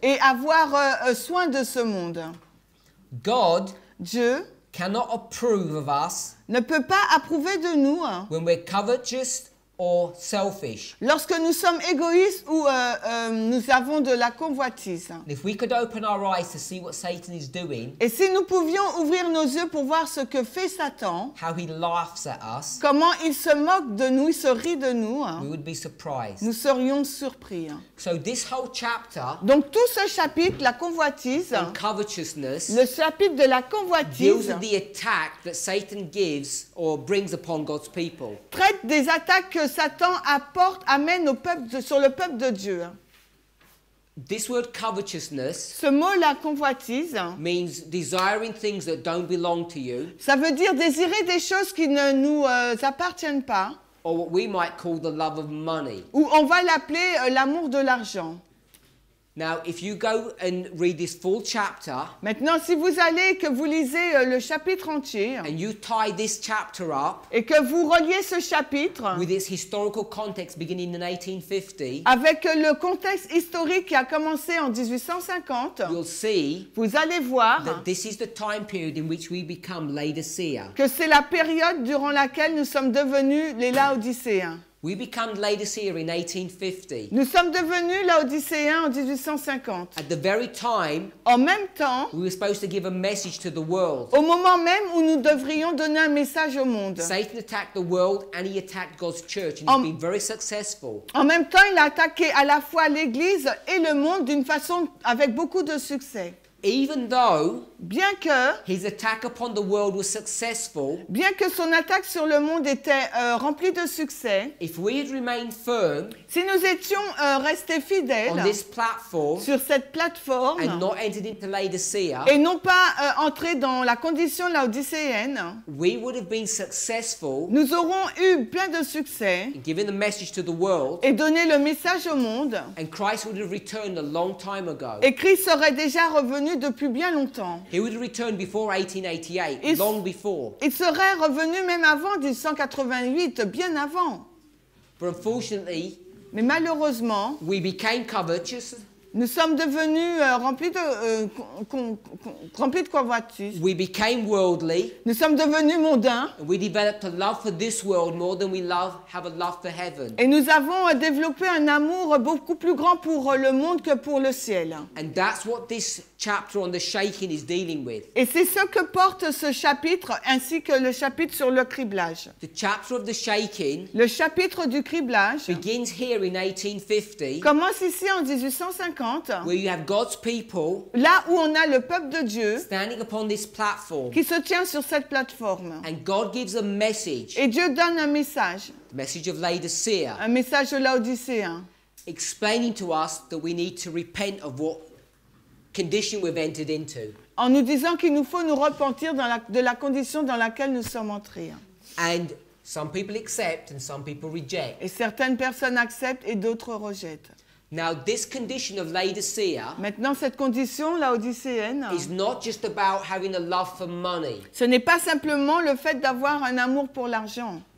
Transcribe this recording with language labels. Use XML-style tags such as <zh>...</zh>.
<fr>Et avoir soin de ce monde.</fr> <en>God,</en> <fr>Dieu,</fr> <en>cannot approve of us.</en> <fr>Ne peut pas approuver de nous.</fr> <en>When we're covetous or selfish.</en> <fr>Lorsque nous sommes égoïstes ou nous avons de la convoitise.</fr> <en>And if we could open our eyes to see what Satan is doing.</en> <fr>Et si nous pouvions ouvrir nos yeux pour voir ce que fait Satan.</fr> <en>How he laughs at us.</en> <fr>Comment il se moque de nous, il se rit de nous.</fr> <en>We would be surprised.</en> <fr>Nous serions surpris.</fr> <en>So this whole chapter.</en> <fr>Donc tout ce chapitre, la convoitise.</fr> <en>And covetousness.</en> <fr>Le chapitre de la convoitise.</fr> <en>Deals with the attack that Satan gives or brings upon God's people.</en> <fr>Traite des attaques que Satan amène au peuple sur le peuple de Dieu.</fr> <en>This word covetousness,</en> <fr>ce mot la convoitise,</fr> <en>means desiring things that don't belong to you.</en> <fr>Ça veut dire désirer des choses qui ne nous appartiennent pas.</fr> <en>Or what we might call the love of money.</en> <fr>Ou on va l'appeler l'amour de l'argent.</fr> <en>Now, if you go and read this full chapter,</en> <fr>maintenant, si vous allez que vous lisez le chapitre entier,</fr> <en>and you tie this chapter up,</en> <fr>et que vous reliez ce chapitre</fr> <en>with its historical context beginning in 1850,</en> <fr>avec le contexte historique qui a commencé en 1850,</fr> <en>you'll see,</en> <fr>vous allez voir</fr> <en>that this is the time period in which we become Laodicea,</en> <fr>que c'est la période durant laquelle nous sommes devenus les Laodicéens.</fr> <en>We become Laodicea in 1850.</en> <fr>Nous sommes devenus Laodicéens en 1850.</fr> <en>At the very time,</en> <fr>en même temps,</fr> <en>we were supposed to give a message to the world.</en> <fr>Au moment même où nous devrions donner un message au monde.</fr> <en>Satan attacked the world and he attacked God's church, and he's been very successful.</en> <fr>En même temps, il a attaqué à la fois l'Église et le monde d'une façon avec beaucoup de succès.</fr> <en>Even though,</en> <fr>bien que,</fr> <en>his attack upon the world was successful,</en> <fr>bien que son attaque sur le monde était remplie de succès,</fr> <en>if we had remained firm,</en> <fr>si nous étions restés fidèles</fr> <en>on this platform,</en> <fr>sur cette plateforme,</fr> <en>and not entered into Laodicea,</en> <fr>et non pas entrés dans la condition laodicéenne,</fr> <en>we would have been successful,</en> <fr>nous aurons eu plein de succès,</fr> <en>given the message to the world,</en> <fr>et donné le message au monde,</fr> <en>and Christ would have returned a long time ago,</en> <fr>et Christ serait déjà revenu depuis bien longtemps.</fr> <en>He would have returned before 1888, long before.</en> <fr>Il serait revenu même avant 1888, bien avant.</fr> <en>But unfortunately,</en> <fr>mais malheureusement,</fr> <en>we became covetous.</en> <fr>Nous sommes devenus remplis de convoitise.</fr> <en>We became worldly.</en> <fr>Nous sommes devenus mondains.</fr> <en>We developed a love for this world more than we have a love for heaven.</en> <fr>Et nous avons développé un amour beaucoup plus grand pour le monde que pour le ciel.</fr> <en>And that's what this chapter on the shaking is dealing with.</en> <fr>Et c'est ce que porte ce chapitre ainsi que le chapitre sur le criblage.</fr> <en>The chapter of the shaking.</en> <fr>Le chapitre du criblage</fr> <en>begins here in 1850.</en> <fr>Commence ici en 1850.</fr> <en>Where you have God's people,</en> <fr>là où on a le peuple de Dieu,</fr> <en>standing upon this platform,</en> <fr>qui se tient sur cette plateforme,</fr> <en>and God gives a message,</en> <fr>et Dieu donne un message,</fr> <en>the message of Laodicea,</en> <fr>un message de Laodicea,</fr> <en>explaining to us that we need to repent of what condition we've entered into,</en> <fr>en nous disant qu'il nous faut nous repentir de la condition dans laquelle nous sommes entrés,</fr> <en>and some people accept and some people reject,</en> <fr>et certaines personnes acceptent et d'autres rejettent.</fr> <en>Now this condition of Laodicea,</en> <fr>maintenant cette condition laodicéenne,</fr> <en>is not just about having a love for money.</en> <fr>Ce n'est pas simplement le fait d'avoir un amour pour l'argent.</fr>